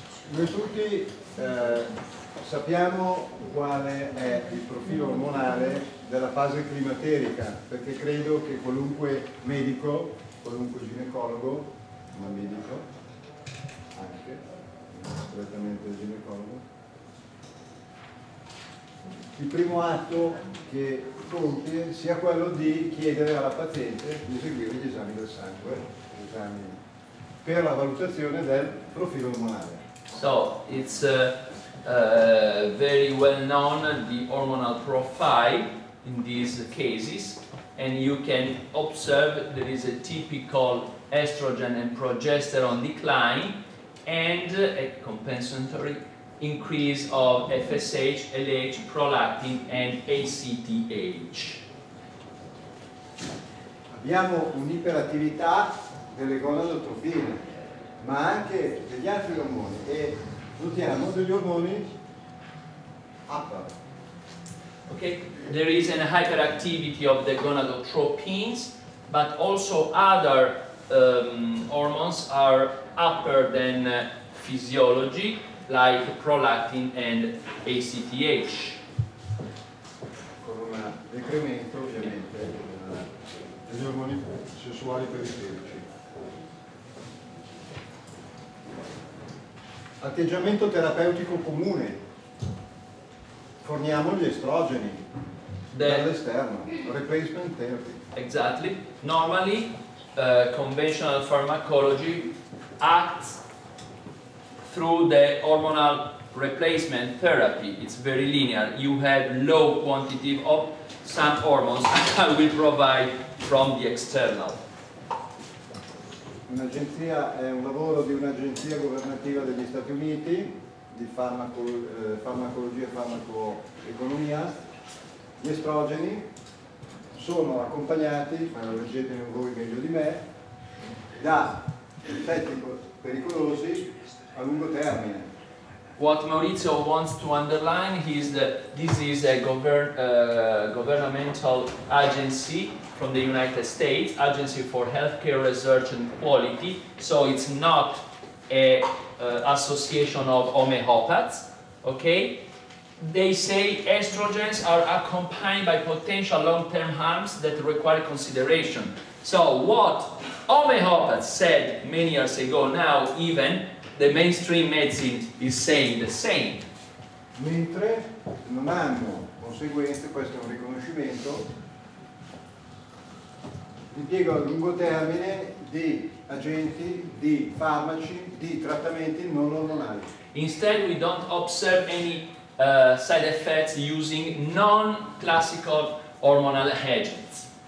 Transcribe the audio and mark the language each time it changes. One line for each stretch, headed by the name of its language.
Italian: Noi tutti sappiamo quale è il profilo ormonale della fase climaterica, perché credo che qualunque medico, qualunque ginecologo, ma medico anche, strettamente ginecologo, il primo atto che compie sia quello di chiedere alla paziente di eseguire gli esami del sangue, gli esami per la valutazione del profilo ormonale.
English: So it's very well known, the hormonal profile in these cases, and you can observe there is a typical estrogen and progesterone decline and a compensatory increase of FSH, LH, prolactin and ACTH.
Italian: Abbiamo un'iperattività delle gonadotropine, ma anche degli altri ormoni, e notiamo degli ormoni upper.
English: Okay, there is an hyperactivity of the gonadotropines, but also other hormones are upper than physiology, like prolactin and ACTH.
Italian: Con un decremento, ovviamente, degli ormoni sessuali periferici. Atteggiamento terapeutico comune. Forniamo gli estrogeni dall'esterno,
English: replacement therapy. Exactly. Normally, conventional pharmacology acts through the hormonal replacement therapy. It's very linear. You have low quantity of some hormones that will provide from the external.
Italian: Un'agenzia è un lavoro di un'agenzia governativa degli Stati Uniti di farmacologia e farmacoeconomia. Gli estrogeni sono accompagnati, ma lo leggete voi meglio di me, da effetti pericolosi a lungo termine.
English: What Maurizio wants to underline is that this is a governmental agency from the United States, Agency for Healthcare Research and Quality. So it's not a association of homeopaths, okay? They say estrogens are accompanied by potential long-term harms that require consideration. So what homeopaths said many years ago, now even the mainstream medicine is saying the same.
Italian: Mentre non hanno conseguenze, questo è un riconoscimento, l'impiego a lungo termine di agenti, di farmaci, di trattamenti non ormonali.
English: Instead, we don't observe any side effects using non-classical hormonal agents.